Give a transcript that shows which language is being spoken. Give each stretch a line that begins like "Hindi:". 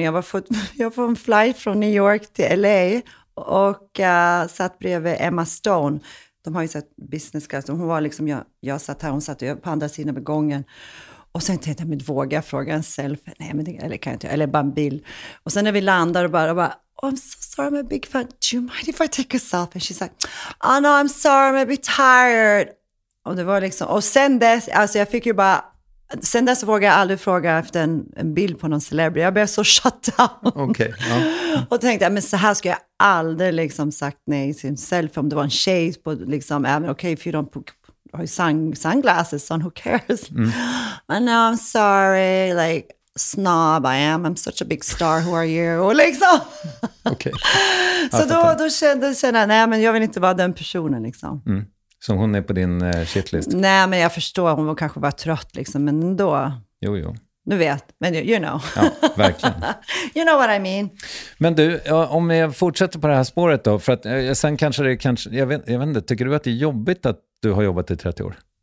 Swedish: Jag var på en flight från New York till LA och satt bredvid Emma Stone. De har ju sett business class, hon var liksom, jag satt här, hon satt på andra sidan av gången. Och sen tänkte jag, men vågar jag fråga en selfie? Nej, men det, eller kan jag inte, eller bara en bild.
English: Och sen när vi landar och bara oh, I'm so sorry, I'm a big fan. Do you mind if I take a selfie? And she's like, oh no, I'm sorry, I'm a bit tired.
Swedish: Och det var liksom, och sen dess, alltså jag fick ju bara, sen dess vågade jag aldrig fråga efter en bild på någon celebrity. Jag blev så shut down. Okay, ja. Och tänkte, men så här ska jag aldrig liksom sagt nej till en selfie. Om det var en tjej på liksom, även okej, okay, if you don't put, har ju sunglasses on, who cares?
English: Men no, I'm sorry, like, snob I am, I'm such a big star, who are you?
Swedish: Och liksom. Okay. Så då kände jag, nej men jag vill inte vara den personen liksom. Mm. Som hon är på din shitlist? Nej men jag förstår, hon kanske var trött liksom, men då. Jo. Nu vet, men you know. Ja, verkligen.
English: You know what I mean.
Swedish: Men du, om jag fortsätter på det här spåret då, för att sen kanske det, kanske, jag vet inte, tycker du att det är jobbigt att du har jobbat i 30 år?